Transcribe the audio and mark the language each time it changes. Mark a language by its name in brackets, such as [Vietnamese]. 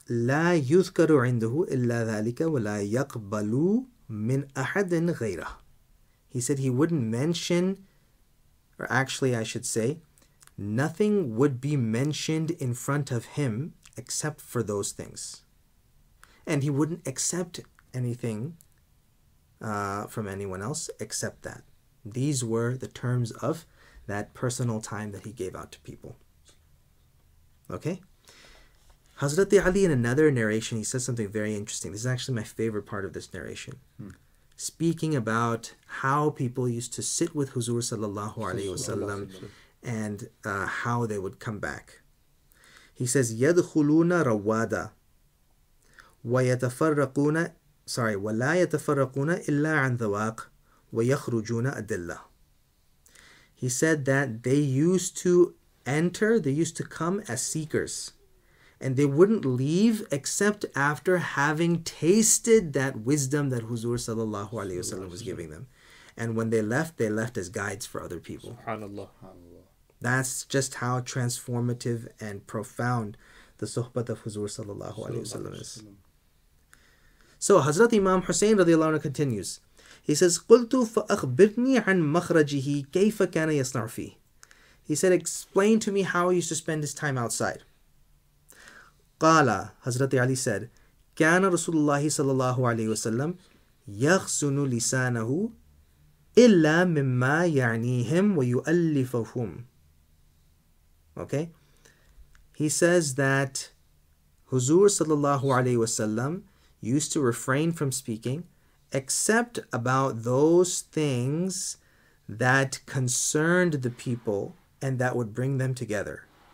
[Arabic] لا يذكر عنده إلا ذلك ولا يقبل من أحد غيره. [English] He said he wouldn't mention. Or actually, I should say, nothing would be mentioned in front of him except for those things. And he wouldn't accept anything from anyone else except that. These were the terms of that personal time that he gave out to people. Okay? Hazrat Ali, in another narration, he says something very interesting. This is actually my favorite part of this narration. Speaking about how people used to sit with Huzur sallallahu alayhi wa sallam and how they would come back. He says, [Arabic] يَدْخُلُونَ رَوَّادَ وَيَتَفَرَّقُونَ [English] sorry, [Arabic] وَلَا يَتَفَرَّقُونَ إِلَّا عَنْ ذَوَاقٍ وَيَخْرُجُونَ أَدِلَّهُ. [English] He said that they used to enter, they used to come as seekers. and they wouldn't leave except after having tasted that wisdom that Huzur sallallahu alayhi wa sallam was giving them. And when they left as guides for other people. SubhanAllah. That's just how transformative and profound the suhbat of Huzur sallallahu alayhi wa sallam is. So Hazrat Imam Hussein radiallahu anhu continues. He says, [Arabic] قُلْتُ فَأَخْبِرْنِي عَنْ مَخْرَجِهِ كَيْفَ كَانَ يَصْنَعُ فِيهِ. [English] He said, explain to me how he used to spend his time outside. [Arabic] Qala, [English] Hazrat Ali said, [Arabic] كَانَ رَسُولُ اللَّهِ صَلَى اللَّهُ عَلَيْهِ وَسَلَّمْ يَخْسُنُ لِسَانَهُ إِلَّا مِمَّا يَعْنِيهِمْ وَيُؤَلِّفَهُمْ. [English] Okay? He says that Huzur صَلَى اللَّهُ عَلَيْهِ وَسَلَّمْ used to refrain from speaking except about those things that concerned the people and that would bring them together.